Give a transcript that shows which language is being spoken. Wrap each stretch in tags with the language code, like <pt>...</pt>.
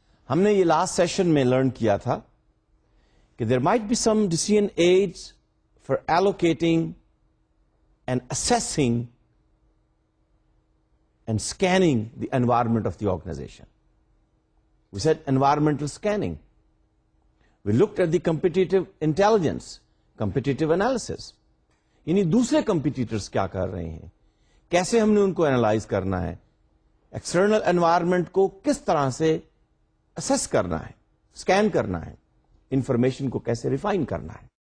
<ur>ہم نے یہ</ur> <en>last session میں learn</en> <ur>کیا تھا کہ</ur> <en>There might be some decision aids for allocating and assessing and scanning the environment of the organization. We said environmental scanning. We looked at the competitive intelligence, competitive analysis.</en> <ur>یعنی دوسرے competitors کیا کر رہے ہیں، کیسے ہم نے ان کو analyze کرنا ہے، external environment کو کس طرح سے assess کرنا ہے، scan کرنا ہے، information کو کیسے refine کرنا ہے.</ur>